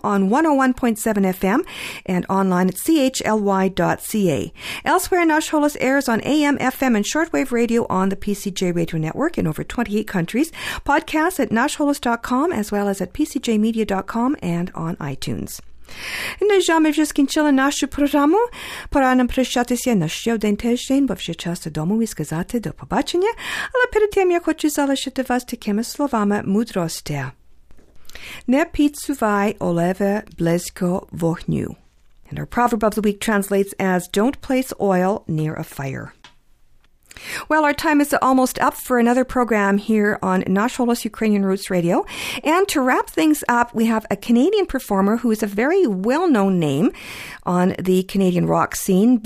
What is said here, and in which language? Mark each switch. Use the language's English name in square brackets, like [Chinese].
[English] on 101.7 FM, and online at chly.ca. Elsewhere, Nash Holos airs on AM, FM, and shortwave radio on the PCJ Radio Network in over 28 countries, podcasts at nashholos.com, as well as at pcjmedia.com and on iTunes. [Ukrainian] Ми вже скінчили нашу програму. Пора нам прощатися на ще один тиждень, бо вже час додому і сказати до побачення. Але перед тим я хочу залишити вас такими словами мудрості. Не підсувай олеве близько вогню. [English] And our proverb of the week translates as, don't place oil near a fire. Well, our time is almost up for another program here on Nash Holos Ukrainian Roots Radio. And to wrap things up, we have a Canadian performer who is a very well-known name on the Canadian rock scene.